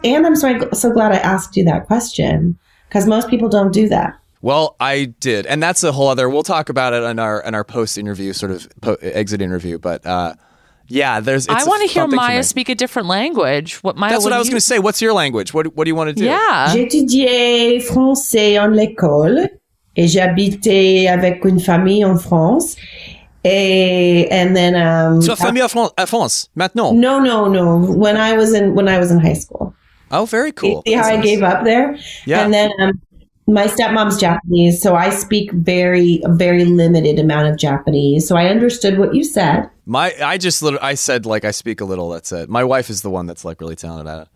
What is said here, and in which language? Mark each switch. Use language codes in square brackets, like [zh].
[en] And I'm so glad I asked you that question because most people don't do that. Well, I did. And that's a whole other, we'll talk about it in our post-interview, sort of exit interview. But yeah, there's, it's, I want to hear Maya speak a different language. What Maya, that's what you... I was going to say. What's your language? What do you want to do? Yeah. [fr] J'étudiais français en l'école et j'habitais avec une famille en France. [en] And then... [fr] So a famille en France, maintenant? [en] No. When I was in high school. Oh, very cool. See how I gave up there? Yeah. And then... my stepmom's Japanese, so I speak very, very limited amount of Japanese. So I understood what you said. I speak a little, that's it. My wife is the one that's like really talented at it.